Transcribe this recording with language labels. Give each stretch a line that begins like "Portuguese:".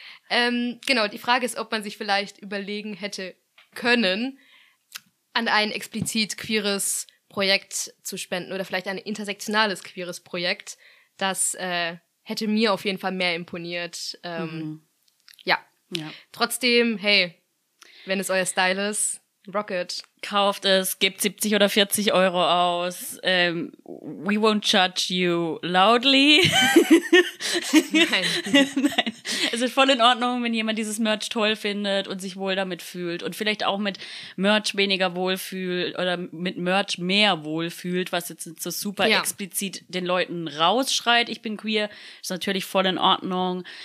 German: Genau, die Frage ist, ob man sich vielleicht überlegen hätte können, an ein explizit queeres Projekt zu spenden oder vielleicht ein intersektionales queeres Projekt, das hätte mir auf jeden Fall mehr imponiert. Ja. Trotzdem, hey, wenn es euer Style ist,
English: rock it.
German: Kauft es, gebt 70 oder 40 Euro aus.
English: We won't judge you loudly.
German: Nein. Es ist voll in Ordnung, wenn jemand dieses Merch toll findet und sich wohl damit fühlt und vielleicht auch mit Merch weniger wohlfühlt oder mit Merch mehr wohlfühlt, was jetzt so super explizit den Leuten rausschreit, ich bin queer, ist natürlich voll in Ordnung.